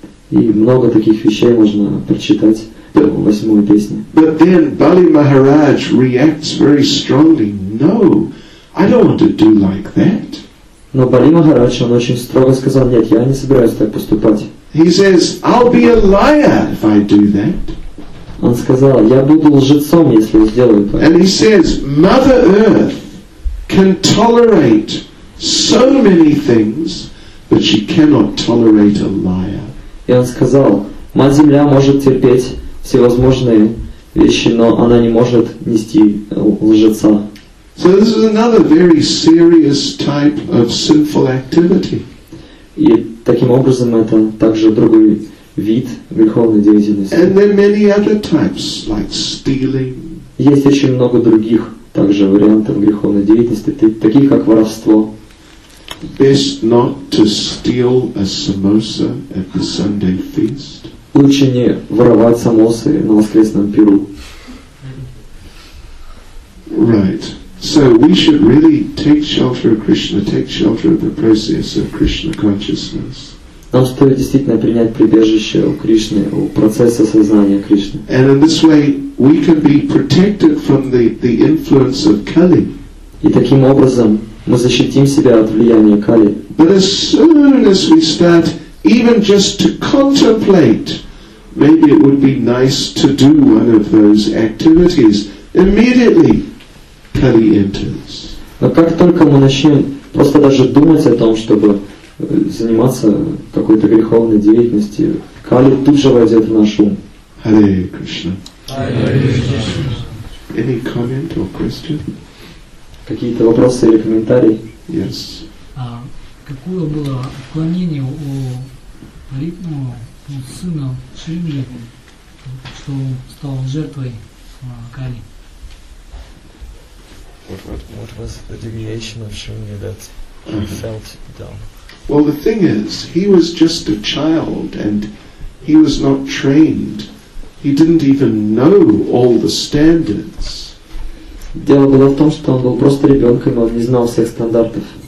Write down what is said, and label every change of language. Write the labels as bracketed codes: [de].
[ru] И много таких вещей можно прочитать. [en] But then Bali Maharaj reacts very strongly. No, I don't want to do like that. [ru] Но Бали Махарадж он очень строго сказал: нет, я не собираюсь так поступать. [en] He says, I'll be a liar if I do that. [ru] Он сказал: я буду лжецом, если я сделаю так. [en] And he says, Mother Earth can tolerate so many things, but she cannot tolerate a liar. [ru] И он сказал: Мать Земля может терпеть всевозможные вещи, но она не может нести лжеца. [en] So this is another very serious type of sinful activity. [ru] И таким образом это также другой вид греховной деятельности. [en] And there are many other types, like stealing. [ru] Есть еще много других также вариантов греховной деятельности, таких как воровство. [en] Best not to steal a samosa at the Sunday feast. [ru] Лучше не воровать самосы на воскресном пиру. [en] Right. So we should really take shelter of Krishna, take shelter of the process of Krishna consciousness. [ru] Нам стоит действительно принять прибежище у Кришны, у процесса сознания Кришны. [en] And in this way we can be protected from the influence of Kali. [ru] И таким образом мы защитим себя от влияния Кали. [en] But as soon as we start even just to contemplate, maybe it would be nice to do one of those activities. Immediately, Kali enters. [ru] Но как только мы начнем просто даже думать о том, чтобы заниматься какой-то греховной деятельностью, Кали тут же войдет в наш ум. [sa] Hare Krishna. Hare Krishna. [en] Any comment or question? [ru] Какие-то вопросы или комментарии? [en] Yes. [ru] Какое было отклонение у Парикмова, у сына Шримджи, что он стал жертвой Кали? [en] What was the deviation of Shrimji that he felt down? Well, the thing is, he was just a child and he was not trained. He didn't even know all the standards. [ru] Дело было в том, что он был просто ребенком, он не знал всех стандартов.